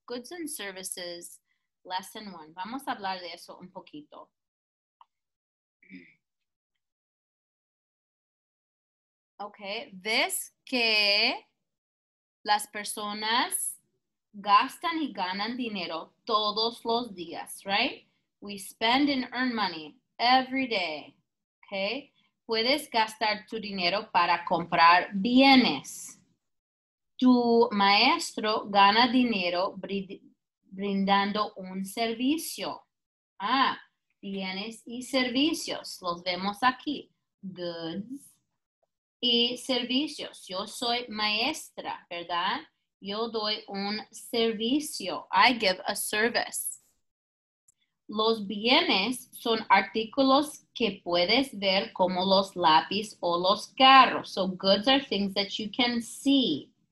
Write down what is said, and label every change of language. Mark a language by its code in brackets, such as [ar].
[en] Goods and services, lesson 1. [es] Vamos a hablar de eso un poquito. Ok, ves que las personas gastan y ganan dinero todos los días, right? [en] We spend and earn money every day, ok? [es] Puedes gastar tu dinero para comprar bienes. Tu maestro gana dinero brindando un servicio. Ah, bienes y servicios. Los vemos aquí. Goods y servicios. Yo soy maestra, ¿verdad? Yo doy un servicio. [en] I give a service. [es] Los bienes son artículos que puedes ver como los lápices o los carros. [en] So goods are things that you can see.